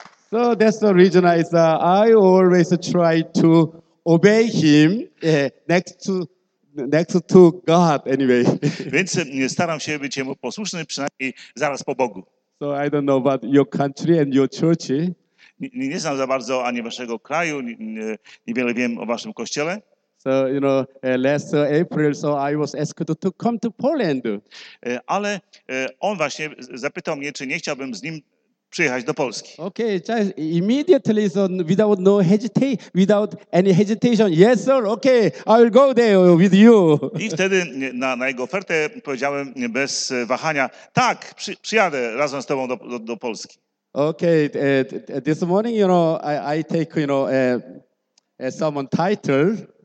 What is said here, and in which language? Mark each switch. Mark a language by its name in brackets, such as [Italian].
[English] So that's the reason I always try to obey him next to God anyway. [Polish] Więc staram się być jemu posłuszny, przynajmniej zaraz po Bogu. [English] So I don't know about your country and your church. [Polish] Nie znam za bardzo ani waszego kraju, niewiele wiem o waszym kościele. [English] So, last April, so I was asked to come to Poland. [Polish] Ale on właśnie zapytał mnie, czy nie chciałbym z nim przyjechać do Polski. [English] Okay, just immediately, so without any hesitation. Yes, sir, okay, I will go there with you. [Polish] I wtedy na jego ofertę powiedziałem bez wahania, tak, przyjadę razem z tobą do Polski. [English] Okay, this morning, I take, someone title.